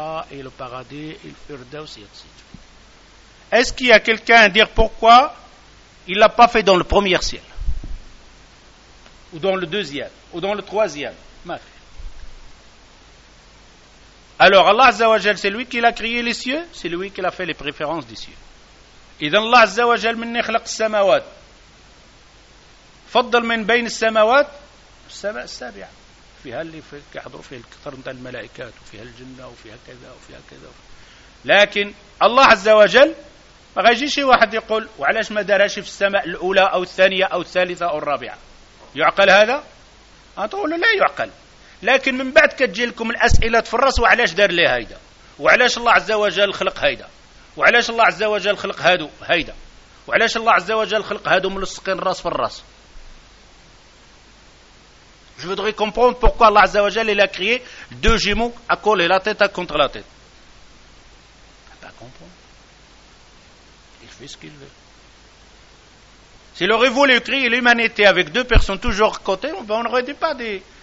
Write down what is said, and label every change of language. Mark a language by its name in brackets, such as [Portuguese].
[French] Et le paradis, et le firdaus, etc. Est-ce qu'il y a quelqu'un à dire pourquoi il ne l'a pas fait dans le premier ciel? Ou dans le deuxième? Ou dans le troisième? Alors Allah [Arabic] Azza wa Jal, [French] c'est lui qui l'a créé les cieux? C'est lui qui l'a fait les préférences des cieux. Et dans Allah [Arabic] Azza wa Jal, [French] il a créé les samawat. [Arabic] فضل من بين السماوات السماء السابعة فيها اللي يحضر فيها الكثر من الملائكات وفيها الجنة وفيها كذا وفيها كذا لكن الله عز وجل ما غيجيش واحد يقول وعلاش ما دارش في السماء الأولى أو الثانية أو الثالثة أو الرابعة يعقل هذا؟ أقول لا يعقل. لكن من بعد كتجي لكم الأسئلة في الرأس، وعلاش دار لي هيدا، وعلاش الله عز وجل خلق هيدا، وعلاش الله عز وجل خلق هادو هيدا، وعلاش الله عز وجل خلق هادو ملصقين الرأس في الرأس. [French] Je voudrais comprendre pourquoi Allah [Arabic] Azza wa Jalla [French] il a créé deux jumeaux à coller la tête à contre la tête. Pas comprendre. Il fait ce qu'il veut. S'il aurait voulu créer l'humanité avec deux personnes toujours côté, on n'aurait dit pas des.